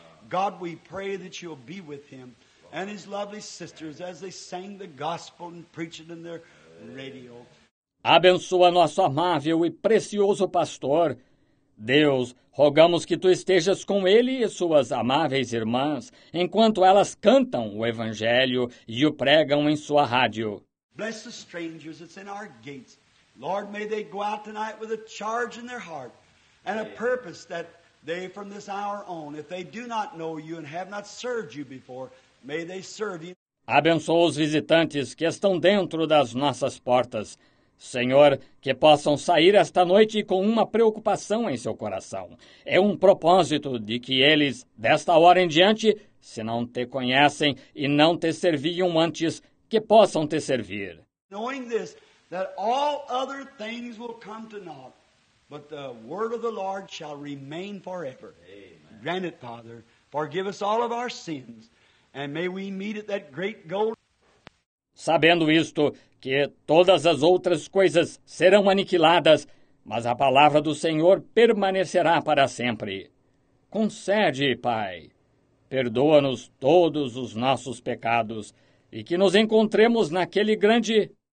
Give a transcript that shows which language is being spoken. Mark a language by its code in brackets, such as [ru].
[en] God, we pray that you'll be with him and his lovely sisters as they sang the gospel and preached it in their radio. [pt] Abençoa nosso amável e precioso pastor. Deus, rogamos que tu estejas com ele e suas amáveis irmãs, enquanto elas cantam o evangelho e o pregam em sua rádio. [en] Bless the strangers that's in our gates. Lord, may they go out tonight with a charge in their heart and a purpose that they from this hour on, if they do not know you and have not served you before, may they serve you. [pt] Abençoa os visitantes que estão dentro das nossas portas. Senhor, que possam sair esta noite com uma preocupação em seu coração. É um propósito de que eles, desta hora em diante, se não te conhecem e não te serviam antes, que possam te servir. [en] Knowing this, that all other things will come to naught, but the word of the Lord shall remain forever. Amen. Grant it, Father, forgive us all of our sins, and may we meet at that great goal. [pt] Sabendo isto, que todas as outras coisas serão aniquiladas, mas a palavra do Senhor permanecerá para sempre. Concede, Pai, perdoa-nos todos os nossos pecados e que nos encontremos naquele grande...